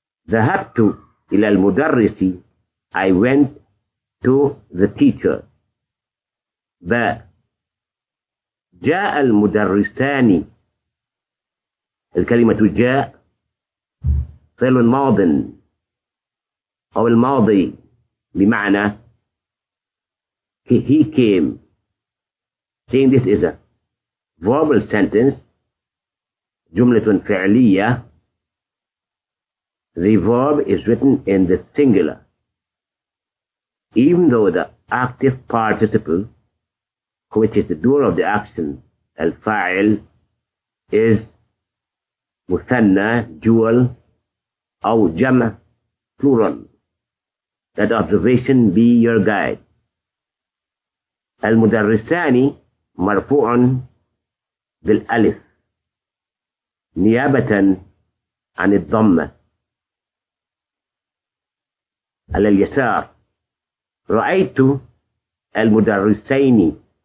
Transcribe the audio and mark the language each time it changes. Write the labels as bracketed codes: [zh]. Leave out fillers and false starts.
[ar] ذهبت إلى المدرس. [en] I went to the teacher. ب: [ar] جاء المدرسان. الكلمة جاء فعل ماض أو الماضي بمعنى [en] he came. Saying this is a verbal sentence, [ar] جملة فعلية. [en] The verb is written in the singular. Even though the active participle, which is the doer of the action, الفاعل, is مثنى, dual, [ar] أو جمع, [en] plural. Let observation be your guide. [ar] المدرسان مرفوع بالألف نيابة عن الضمة. على اليسار رأيت المدرسين.